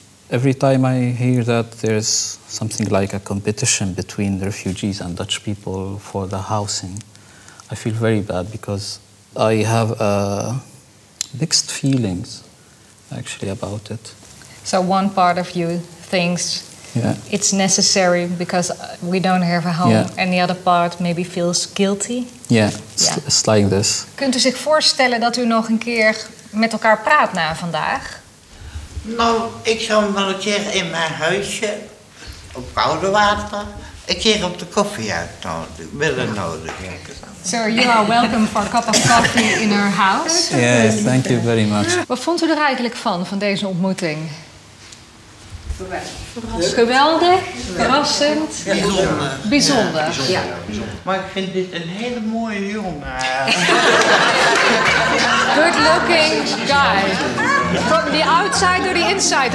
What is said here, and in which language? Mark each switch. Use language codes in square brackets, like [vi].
[en] Every time I hear that there's something like a competition between the refugees and Dutch people for the housing, I feel very bad because I have mixed feelings actually about it. So one part of you thinks yeah. it's necessary because we don't have a home yeah. and the other part maybe feels guilty? Yeah, yeah. It's like this. [nl] Kunt u zich voorstellen dat u nog een keer met elkaar praat na vandaag? Nou, ik zou wel een keer in mijn huisje, op koude water, een keer op de koffie willen nodigen. [en] So you are welcome for a cup of coffee in our house. Yes, thank you very much. [nl] Wat vond u er eigenlijk van deze ontmoeting? Verrassend. Geweldig, verrassend. Ja. Bijzonder. Ja. Bijzonder. Ja. Maar ik vind dit een hele mooie jongen. [en] Good looking guy. From the outside or the inside?